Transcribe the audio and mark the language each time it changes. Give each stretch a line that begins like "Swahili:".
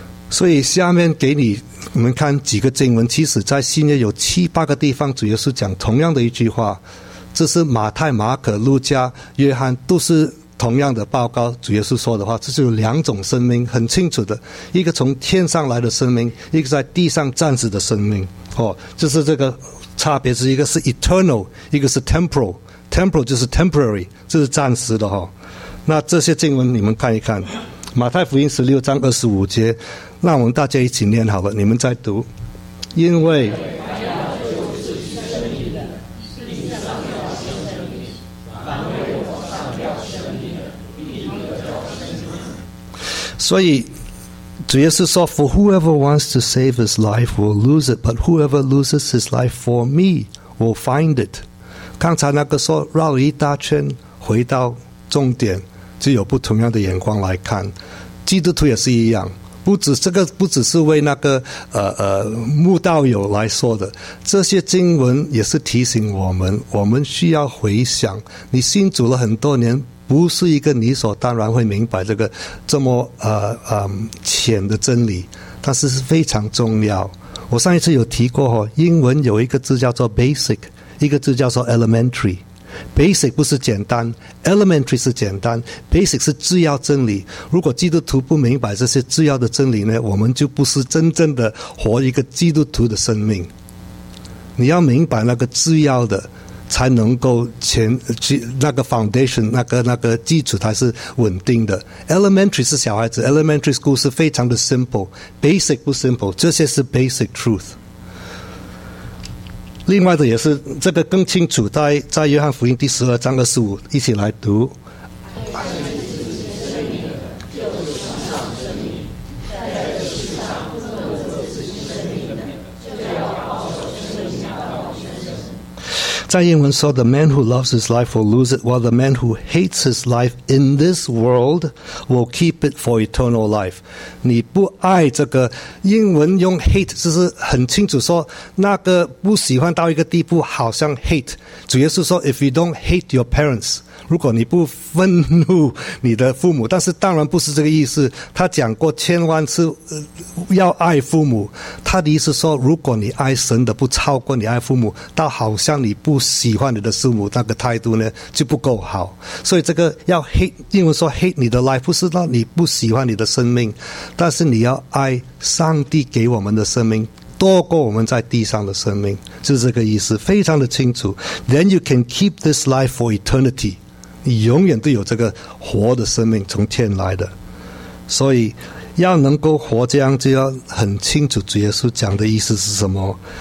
Chinese: 所以下面给你我们看几个经文，其实在新约有七八个地方主耶稣讲同样的一句话，这是马太、马可、路加、约翰都是同样的报告主耶稣说的话。这是有两种生命很清楚的，一个从天上来的生命，一个在地上暂时的生命，就是这个差别，是一个是 eternal， 一个是 temporal。 temporal 就是 temporary， 这是暂时的。那这些经文你们看一看，马太福音十六章二十五节，让我们大家一起念好了，你们再读。因为所以主耶稣说
English: For whoever wants to save his life will lose it, but whoever loses his life for me will find it。
Chinese: 刚才那个说绕一大圈回到重点，就有不同样的眼光来看。基督徒也是一样，不只这个，不只是为那个慕道友来说的。这些经文也是提醒我们，我们需要回想，你信主了很多年，不是一个理所当然会明白这个这么浅的真理，但是是非常重要。我上一次有提过，英文有一个字叫做 basic， 一个字叫做 elementary。 Basic 不是简单， Elementary 是简单， Basic 是至要真理。如果基督徒不明白这些至要的真理呢，我们就不是真正的活一个基督徒的生命。你要明白那个至要的，才能够那个 foundation， 那个基础才是稳定的。 Elementary 是小孩子， Elementary school 是非常的 simple， Basic 不 simple， 这些是 basic truth。另外的也是这个更清楚，在约翰福音第十二章二十五，一起来读。蔡英文说
English: The man who loves his life will lose it, while the man who hates his life in this world will keep it for eternal life.
Chinese: 你不爱这个，英文用 hate 就是很清楚说，那个不喜欢到一个地步，好像 hate。主耶稣说
English: If you don't hate your parents,
Chinese: 如果你不愤怒你的父母，但是当然不是这个意思，他讲过千万次要爱父母，他的意思说如果你爱神的不超过你爱父母，到好像你不喜欢你的父母，那个态度呢就不够好。所以这个要 hate， 英文说 hate 你的 life 不是让你不喜欢你的生命，但是你要爱上帝给我们的生命多过我们在地上的生命，就是这个意思，非常的清楚。
English: Then you can keep this life for eternity，
Chinese: 你永远都有这个活的生命从天来的。所以要能够活这样，就要很清楚主耶稣讲的意思是什么。